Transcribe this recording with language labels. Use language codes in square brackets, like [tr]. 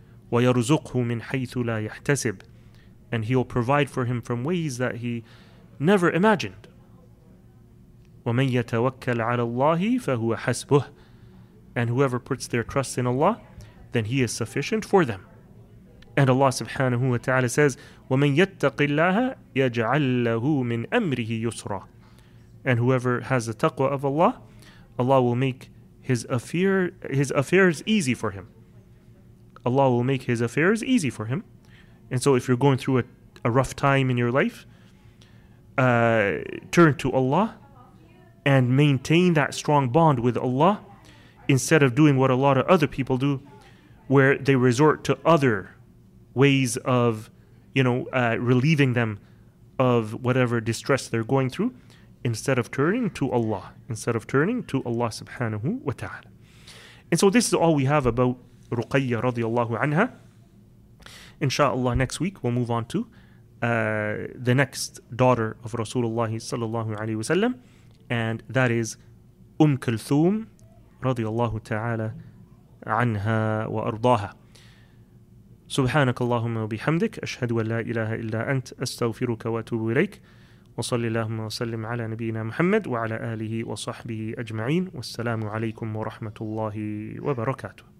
[ar] وَيَرْزُقْهُ مِنْ حَيْثُ لَا يَحْتَسِبْ. [en] And He will provide for him from ways that he never imagined. [ar] وَمَنْ يَتَوَكَّلْ عَلَى اللَّهِ فَهُوَ حَسْبُهُ. [en] And whoever puts their trust in Allah, then He is sufficient for them. And Allah subhanahu wa ta'ala says, [ar] وَمَنْ يَتَّقِ اللَّهَ يَجْعَلْ لَهُ مِنْ أَمْرِهِ يُسْرًا. [en] And whoever has the taqwa of Allah, Allah will make his affairs easy for him. Allah will make his affairs easy for him. And so if you're going through a rough time in your life, turn to Allah and maintain that strong bond with Allah, instead of doing what a lot of other people do, where they resort to other ways of, relieving them of whatever distress they're going through, instead of turning to Allah subhanahu wa ta'ala. And so this is all we have about Ruqayya radiallahu anha. Insha'Allah, next week we'll move on to the next daughter of Rasulullah sallallahu alayhi wa sallam, and that is Kulthum radiallahu ta'ala anha wa ardaha. [ar] سبحانك اللهم وبحمدك أشهد أن لا إله إلا أنت أستغفرك وأتوب إليك وصلي اللهم وسلم على نبينا محمد وعلى آله وصحبه أجمعين والسلام عليكم ورحمة الله وبركاته.